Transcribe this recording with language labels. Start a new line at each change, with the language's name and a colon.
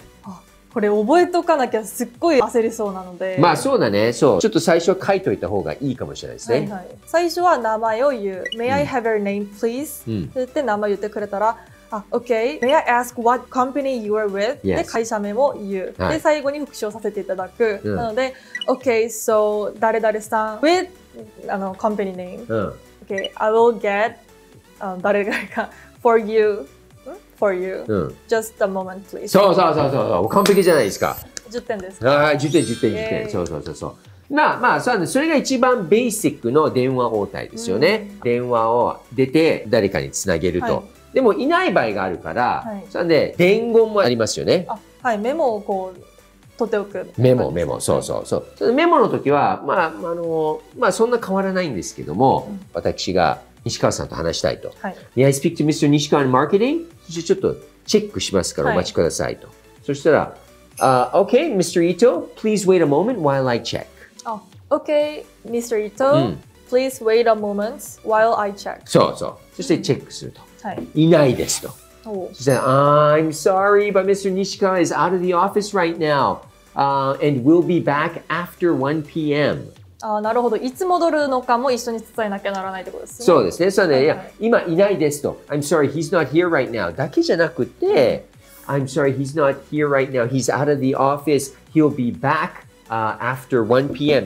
Japanese: あ、これ覚えとかなきゃすっごい焦りそうなので。まあそうだね。そう。ちょっと最初は書いといた方がいいかもしれないですね。はいはい。最初は名前を言う。
English: May I have your name, please?
Japanese: って、うん、言って名前言ってくれたら、あ、OK。
English: May I ask what company you are with?
Japanese: で、会社名を言う。はい、で、最後に復唱させていただく。うん、なので、
English: OK, so,
Japanese: 誰々さん with あの
English: company name.、
Japanese: うん、
English: OK, I will get
Japanese: 誰がいいか
English: for you, for you,、うん、just a moment, please.
Japanese: そうそうそうそう、完璧じゃないですか。 10点です。はい、10点、10点、10点。そうそうそうそう。まあまあ、そうなんです。それが一番ベーシックの電話応対ですよね。うん、電話を出て、誰かにつなげると。はい、でもいない場合があるから、はい、それで伝言もありますよね。あ、はい、メモをこう取っておく。メモ、メモ、そうそうそう。それでメモの時は、まあ、まあそんな変わらないんですけども、うん、私が西川さんと話したいと。はい、
English: May I speak to Mr. 西川 in marketing?
Japanese: ちょっとチェックしますからお待ちくださいと。
English: はい、そしたら、OK, Mr. Ito, please wait a moment while I check. OK, Mr. Ito,、
Japanese: うん、
English: please wait a moment while I check.
Japanese: そうそう。そしてチェックすると。うん、はい、いないですと。そして、
English: I'm sorry, but Mr. Nishikawa is out of the office right now. And we'll be back after 1 p.m.
Japanese: あ、なるほど。いつ戻るのかも一緒に伝えなきゃならないってことですね。そうですね。そうね、はいはい。いや、今いないですと。
English: I'm sorry, he's not here right now.
Japanese: だけじゃなくて、
English: I'm sorry, he's not here right now. He's out of the office. He'll be back、after 1 p.m.